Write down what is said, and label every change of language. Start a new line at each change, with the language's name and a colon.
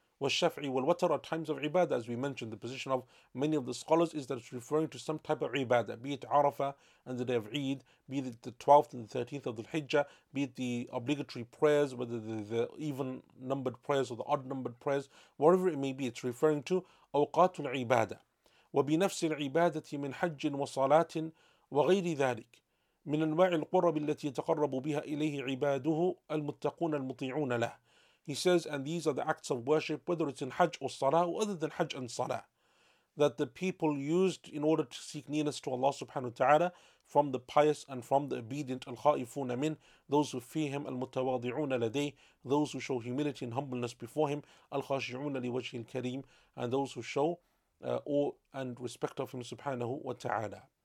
Arabic: والشفعي والوتر
English: are times of ibadah, as we mentioned. The position of many of the scholars is that it's referring to some type of ibadah, be it Arafah and the day of Eid, be it the 12th and the 13th of the Hijjah, be it the obligatory prayers, whether the even numbered prayers or the odd numbered prayers, whatever it may be, it's referring to
Arabic: أوقات العبادة. وبنفس العبادة من حج وصلاة وغير ذلك من أنواع القرب التي يتقرب بها إليه عباده المتقون المطيعون له.
English: He says, and these are the acts of worship, whether it's in Hajj or Salah, or other than Hajj and Salah, that the people used in order to seek nearness to Allah subhanahu wa ta'ala from the pious and from the obedient,
Arabic: al-khaifuna min,
English: those who fear him,
Arabic: al-mutawadi'una ladayh,
English: those who show humility and humbleness before him,
Arabic: al-khashi'una liwajhi al-kareem,
English: and those who show awe and respect of him subhanahu wa ta'ala.